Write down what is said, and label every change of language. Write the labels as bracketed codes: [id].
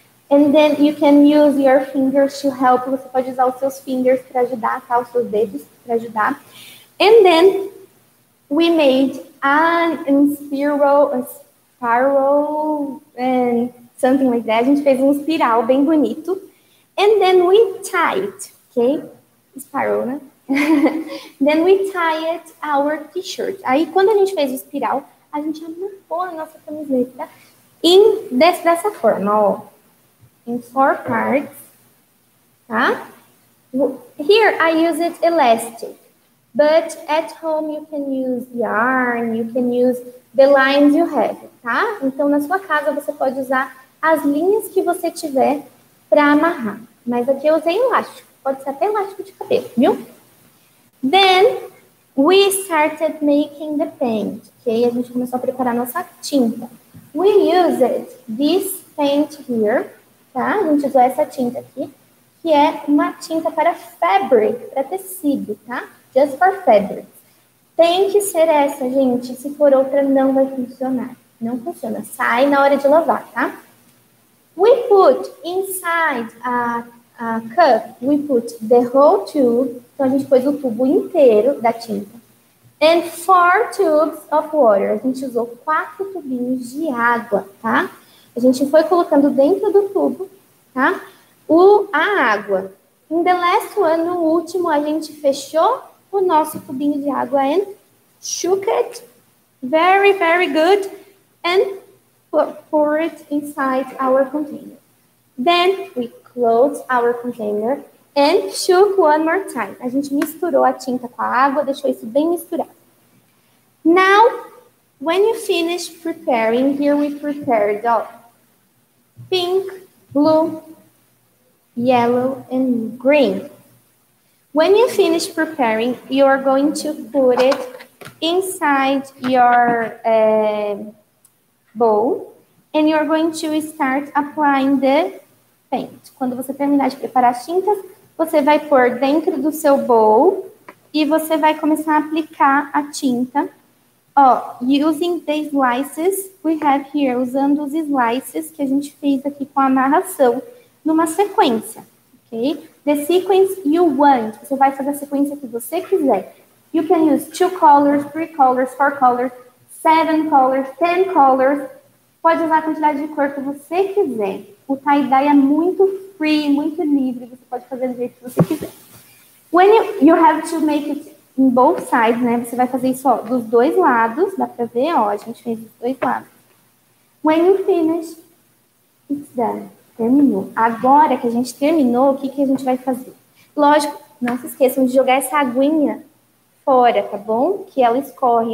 [en] And then you can use your fingers to help. [pt] Você pode usar os seus fingers para ajudar, tá? Os seus dedos para ajudar. [en] And then we made a spiral and something like that. [pt] A gente fez um espiral bem bonito. [en] And then we tied, ok? Spiral, né? Then we tied our t-shirt. [pt] Aí, quando a gente fez o espiral, a gente amarrou a nossa camiseta dessa forma, ó. [en] In four parts, tá? Here, I use it elastic. But at home, you can use yarn, you can use the lines you have, tá? [pt] Então, na sua casa, você pode usar as linhas que você tiver para amarrar. Mas aqui eu usei elástico. Pode ser até elástico de cabelo, viu? [en] Then, we started making the paint, ok? [pt] A gente começou a preparar nossa tinta. [en] We used this paint here, [pt] tá? A gente usou essa tinta aqui, que é uma tinta para fabric, para tecido, tá? [en] Just for fabric. [pt] Tem que ser essa, gente. Se for outra, não vai funcionar. Não funciona. Sai na hora de lavar, tá? [en] We put inside a cup, we put the whole tube. [pt] Então, a gente pôs o tubo inteiro da tinta. [en] And four tubes of water. [pt] A gente usou quatro tubinhos de água, tá? A gente foi colocando dentro do tubo, tá? A água. [en] In the last one, [pt] no último, a gente fechou o nosso tubinho de água [en] and shook it very, very good and pour it inside our container. Then we closed our container. And shook one more time. [pt] A gente misturou a tinta com a água, deixou isso bem misturado. [en] Now, when you finish preparing, here we prepared pink, blue, yellow, and green. When you finish preparing, you are going to put it inside your bowl. And you are going to start applying the paint. [pt] Quando você terminar de preparar as tintas, você vai pôr dentro do seu bowl E você vai começar a aplicar a tinta. Ó, [en] using the slices we have here. [pt] Usando os slices que a gente fez aqui com a amarração. Numa sequência, ok? [en] The sequence you want. [pt] Você vai fazer a sequência que você quiser. [en] You can use 2 colors, 3 colors, 4 colors, 7 colors, 10 colors. [pt] Pode usar a quantidade de cor que você quiser. O tie-dye é muito free, muito livre. Você pode fazer do jeito que você quiser. [en] When you have to make it in both sides, né? [pt] Você vai fazer isso, ó, dos dois lados. Dá pra ver, ó, a gente fez dos dois lados. [en] When you finish, it's done. [pt] Terminou. Agora que a gente terminou, o que, que a gente vai fazer? Lógico, não se esqueçam de jogar essa aguinha fora, tá bom? Que ela escorre.